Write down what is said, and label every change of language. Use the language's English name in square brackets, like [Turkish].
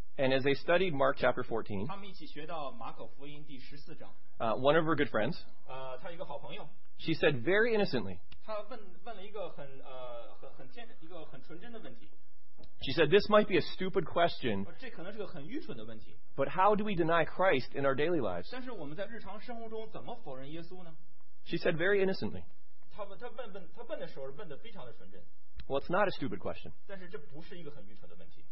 [English] And as they studied Mark chapter 14, one of her good friends, [Chinese] 她一个好朋友, [English] she said very innocently, [Chinese] 她问了一个很纯真的问题, [English] she said, "This might be a stupid question, [Chinese] 这可能是个很愚蠢的问题, [English] but how do we deny Christ in our daily lives?" [Chinese] 但是我们在日常生活中怎么否认耶稣呢? [English] She said very innocently, [Chinese] 她问的时候问得非常的纯真, [English] well, it's not a stupid question. [Chinese] 但是这不是一个很愚蠢的问题,